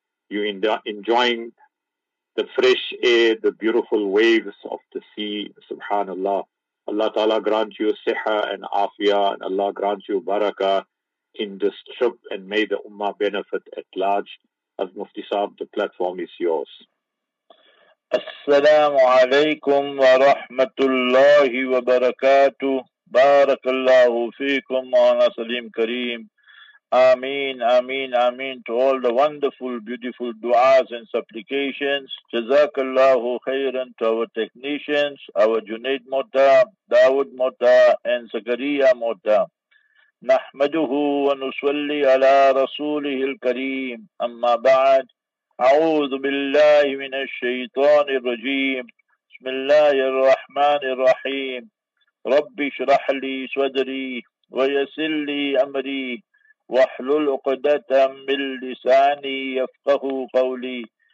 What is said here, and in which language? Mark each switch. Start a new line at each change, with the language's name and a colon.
English: You enjoying the fresh air, the beautiful waves of the sea. Subhanallah. Allah Ta'ala grant you siha and afia, and Allah grant you barakah in this trip, and may the ummah benefit at large. As Mufti Saab, the platform is yours.
Arabic: السلام عليكم ورحمة الله وبركاته. بارك الله فيكم وانا سليم كريم. آمين آمين آمين
English: to all the wonderful, beautiful du'as and supplications.
Arabic: جزاك الله خيرا
English: to our technicians, our Junaid Mota, Dawood Mota and Zakaria Mota.
Arabic: نحمده ونصلي على رسوله الكريم. أما بعد, أعوذ بالله من الشيطان الرجيم. بسم الله الرحمن الرحيم. رب اشرح لي صدري ويسر لي أمري واحلل عقدة من لساني يفقه قولي.